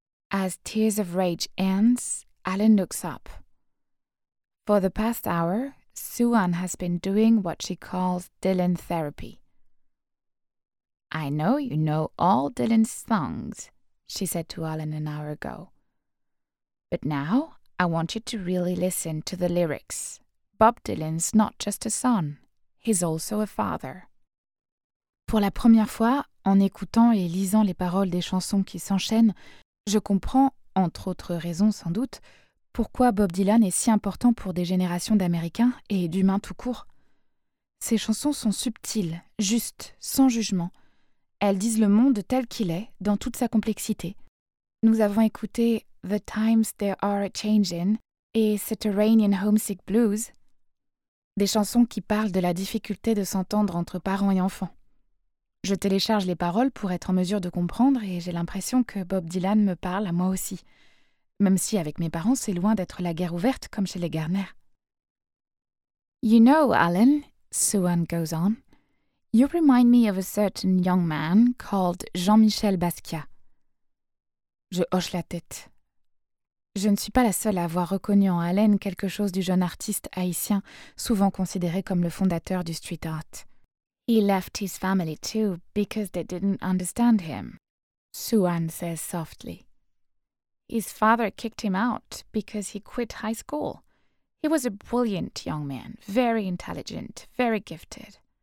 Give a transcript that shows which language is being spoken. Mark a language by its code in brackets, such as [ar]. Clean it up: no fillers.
[en] As tears of rage ends, Alan looks up. For the past hour, Suan has been doing what she calls Dylan Therapy. I know you know all Dylan's songs, she said to Alan an hour ago. But now, I want you to really listen to the lyrics. Bob Dylan's not just a son, he's also a father. [fr] Pour la première fois, en écoutant et lisant les paroles des chansons qui s'enchaînent, je comprends, entre autres raisons sans doute, pourquoi Bob Dylan est si important pour des générations d'Américains et d'humains tout court. Ses chansons sont subtiles, justes, sans jugement. Elles disent le monde tel qu'il est, dans toute sa complexité. Nous avons écouté « The Times They Are A-Changin' » et « Subterranean Homesick Blues », des chansons qui parlent de la difficulté de s'entendre entre parents et enfants. Je télécharge les paroles pour être en mesure de comprendre et j'ai l'impression que Bob Dylan me parle à moi aussi. Même si avec mes parents, c'est loin d'être la guerre ouverte comme chez les Garner. [en] You know, Alan, Suan goes on, you remind me of a certain young man called Jean-Michel Basquiat. [fr] Je hoche la tête. Je ne suis pas la seule à avoir reconnu en Alan quelque chose du jeune artiste haïtien, souvent considéré comme le fondateur du street art. [en] He left his family too because they didn't understand him, Suan says softly. His father kicked him out because he quit high school. He was a brilliant young man, very intelligent, very gifted.